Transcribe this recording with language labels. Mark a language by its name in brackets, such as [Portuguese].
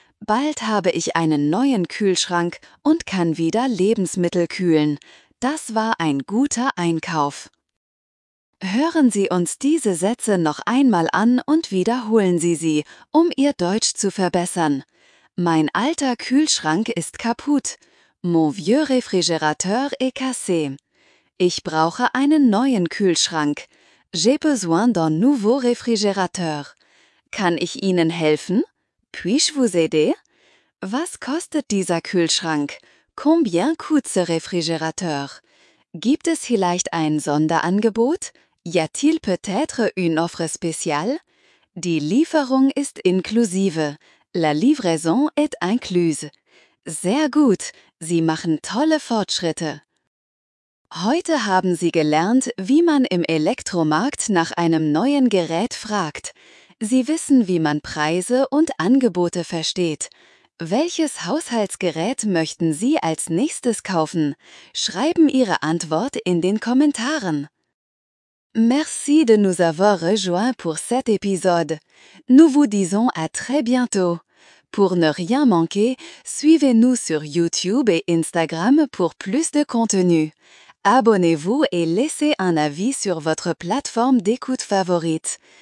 [German] Bald habe ich einen neuen Kühlschrank und kann wieder Lebensmittel kühlen. Das war ein guter Einkauf. Hören Sie uns diese Sätze noch einmal an und wiederholen Sie sie, um Ihr Deutsch zu verbessern. Mein alter Kühlschrank ist kaputt. [French] Mon vieux réfrigérateur est cassé. [German] Ich brauche einen neuen Kühlschrank. [French] J'ai besoin d'un nouveau réfrigérateur. [German] Kann ich Ihnen helfen? [French] Puis-je vous aider? [German] Was kostet dieser Kühlschrank? [French] Combien coûte ce réfrigérateur? [German] Gibt es vielleicht ein Sonderangebot? [French] Y a-t-il peut-être une offre spéciale? [German] Die Lieferung ist inklusive. [French] La livraison est incluse. [German] Sehr gut, Sie machen tolle Fortschritte. Heute haben Sie gelernt, wie man im Elektromarkt nach einem neuen Gerät fragt. Sie wissen, wie man Preise und Angebote versteht. Welches Haushaltsgerät möchten Sie als nächstes kaufen? Schreiben Ihre Antwort in den Kommentaren. [French] Merci de nous avoir rejoints pour cet épisode. Nous vous disons à très bientôt. Pour ne rien manquer, suivez-nous sur YouTube et Instagram pour plus de contenu. Abonnez-vous et laissez un avis sur votre plateforme d'écoute favorite.